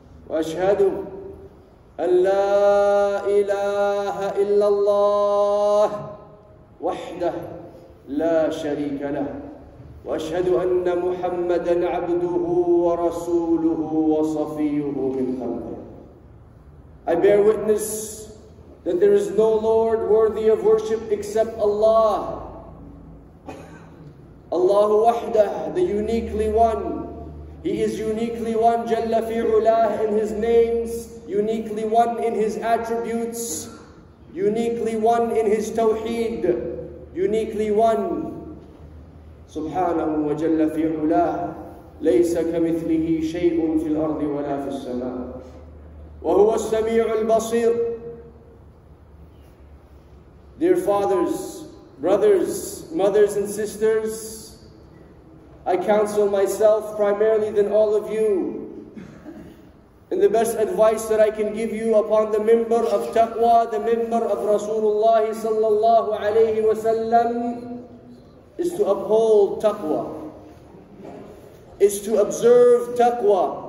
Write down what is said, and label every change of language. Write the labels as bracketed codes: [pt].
[ar] وأشهد أن لا إله إلا الله وحده لا شريك له، وأشهد أن محمدًا عبده ورسوله وصفيه من خلقه. [en] I bear witness that there is no Lord worthy of worship except Allah. Allahu wahdah, the uniquely one. He is uniquely one, [ar] Jalla fi ulah [en] in his names, uniquely one in his attributes, uniquely one in his tawheed, uniquely one. [ar] سبحانه وجل في علاه ليس كمثله شيء في الأرض ولا في السماء وهو السميع البصير. [en] Dear fathers, brothers, mothers and sisters, I counsel myself primarily than all of you, and the best advice that I can give you upon the member of taqwa, the member of Rasulullah sallallahu alayhi wa sallam, is to uphold taqwa, is to observe taqwa.